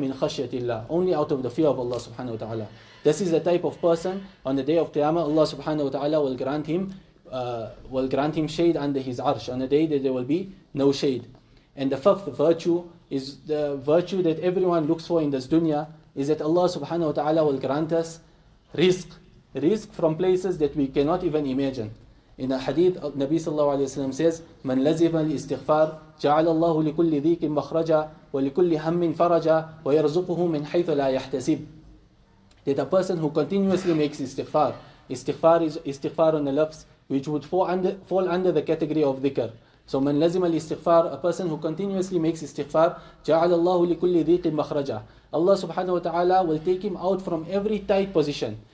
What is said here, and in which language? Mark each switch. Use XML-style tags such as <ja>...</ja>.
<en>Min khashyatillah, only out of the fear of Allah subhanahu wa ta'ala. This is the type of person on the day of Qiyamah Allah subhanahu wa ta'ala will grant him shade under his arsh, on a day that there will be no shade. And the fifth virtue is the virtue that everyone looks for in this dunya, is that Allah subhanahu wa ta'ala will grant us rizq. Risk from places that we cannot even imagine. In a hadith, Nabi sallallahu alayhi wa sallam says,</en> <ar>مَنْ لَزِمَ الْإِسْتِغْفَارِ جَعَلَ اللَّهُ لِكُلِّ ذِيكٍ مَخْرَجًا وَلِكُلِّ هَمٍ فَرَجًا وَيَرْزُقُهُ مِنْ حَيْثُ لَا يَحْتَسِبُ.</ar> <en>That a person who continuously makes istighfar is istighfar on the lips, which would fall under the category of dhikr. So</en> <ar>مَنْ لَزِمَ الْإِسْتِغْفَارِ,</ar> <en>a person who continuously makes istighfar,</en> <ar>جَعَلَ اللَّهُ لِكُلِّ ذِيكٍ مَخْرَجًا,</ar> <en>Allah subhanahu wa ta'ala will take him out from every tight position.</en>